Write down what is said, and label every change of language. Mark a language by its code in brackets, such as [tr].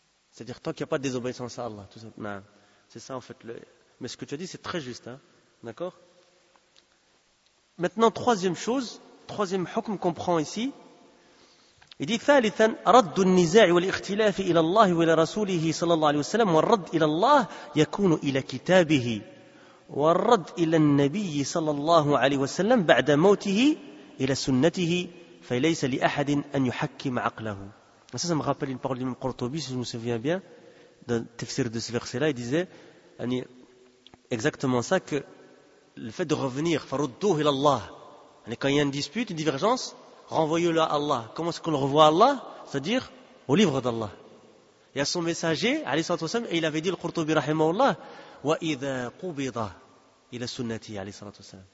[fr] C'est-à-dire, tant qu'il n'y a pas de désobéissance à Allah, tout ça. Non. C'est ça, en fait. Mais ce que tu as dit, c'est très juste. Hein? D'accord ? Maintenant, troisième chose, troisième hukm qu'on prend ici. Il dit, [ar] ثالثاً, رد النزاع والاختلاف إلى الله وإلى رسوله صلى الله عليه وسلم والرد إلى الله يكون إلى كتابه والرد إلى النبي صلى الله عليه وسلم بعد موته إلى سنته فليس لأحد أن يحكم عقله. [fr] Ça, ça me rappelle une parole d'Imam Qurtubi, si je me souviens bien, dans le tafsir de ce verset-là, il disait exactement ça, que le fait de revenir, [ar] farudduh ila Allah, [fr] quand il y a une dispute, une divergence, renvoyez-le à Allah. Comment est-ce qu'on le revoit à Allah ? C'est-à-dire au livre d'Allah. Et à son messager, alayhi sallatou wassalam, et il avait dit le Qurtubi, rahimahullah, [ar] wa idha qubida ila sunnati, [fr] alayhi sallatou wassalam.